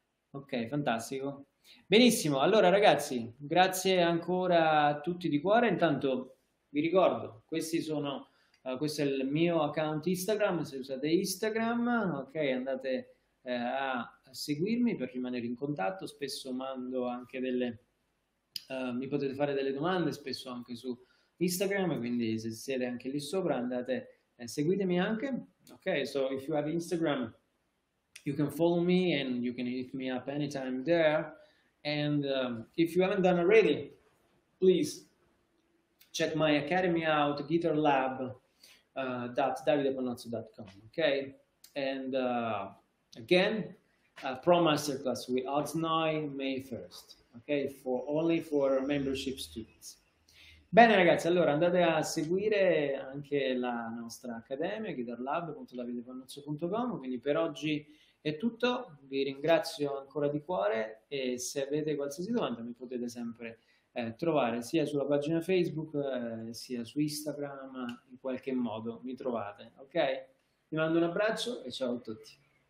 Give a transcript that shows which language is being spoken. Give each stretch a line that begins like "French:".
Italian: ok, fantastico, benissimo, allora ragazzi, grazie ancora a tutti di cuore, intanto vi ricordo, questo è il mio account Instagram, se usate Instagram, ok, andate a seguirmi per rimanere in contatto, spesso mando anche delle... mi potete fare delle domande spesso anche su Instagram, quindi se siete anche lì sopra andate e seguitemi anche, ok?
English: So if you have Instagram you can follow me and you can hit me up anytime there, and if you haven't done already please check my academy out, guitarlab .davidepanozzo.com, ok? And again, Pro Masterclass with Oznoi May 1st. Ok, for only for membership students.
Italian: Bene ragazzi, allora andate a seguire anche la nostra accademia guitarlab.davidepannozzo.com. Quindi per oggi è tutto, vi ringrazio ancora di cuore e se avete qualsiasi domanda mi potete sempre trovare sia sulla pagina Facebook sia su Instagram, in qualche modo mi trovate, ok? Vi mando un abbraccio e ciao a tutti.